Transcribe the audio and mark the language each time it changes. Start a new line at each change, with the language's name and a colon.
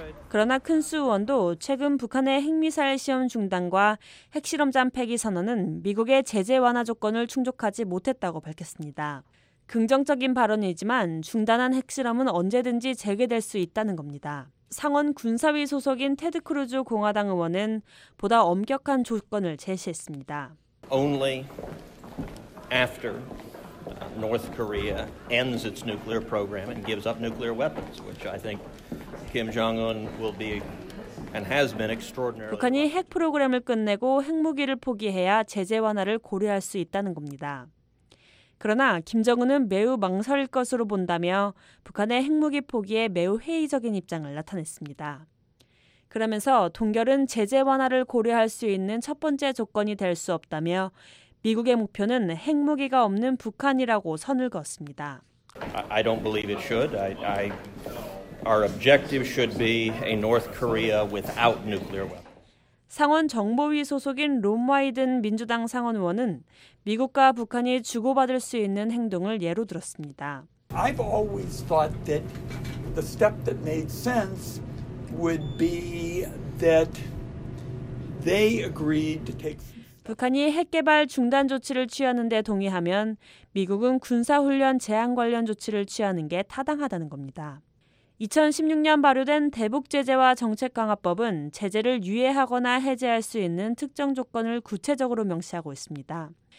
Korean: 그러나 큰수 의원도 최근 북한의 핵미사일 시험 중단과 핵실험장 폐기 선언은 미국의 제재 완화 조건을 충족하지 못했다고 밝혔습니다. 긍정적인 발언이지만 중단한 핵실험은 언제든지 재개될 수 있다는 겁니다. 상원 군사위 소속인 테드 크루즈 공화당 의원은 보다 엄격한 조건을 제시했습니다.
English: Only after North Korea ends its nuclear program and gives up nuclear weapons, which I think Kim Jong-un will be and has been extraordinarily.
Korean: 북한이 핵 프로그램을 끝내고 핵무기를 포기해야 제재 완화를 고려할 수 있다는 겁니다. 그러나 김정은은 매우 망설일 것으로 본다며 북한의 핵무기 포기에 매우 회의적인 입장을 나타냈습니다. 그러면서 동결은 제재 완화를 고려할 수 있는 첫 번째 조건이 될 수 없다며 미국의 목표는 핵무기가 없는 북한이라고 선을 그었습니다.
English: I don't believe it should. Our objective should be a North Korea without nuclear weapons.
Korean: 상원 정보위 소속인 론 와이든 민주당 상원 의원은 미국과 북한이 주고받을 수 있는 행동을 예로 들었습니다.
English: I've always thought that the step that made sense would be that they agreed to take
Korean: 북한이 핵개발 중단 조치를 취하는 데 동의하면 미국은 군사훈련 제한 관련 조치를 취하는 게 타당하다는 겁니다. 2016년 발효된 대북제재와 정책강화법은 제재를 유예하거나 해제할 수 있는 특정 조건을 구체적으로 명시하고 있습니다.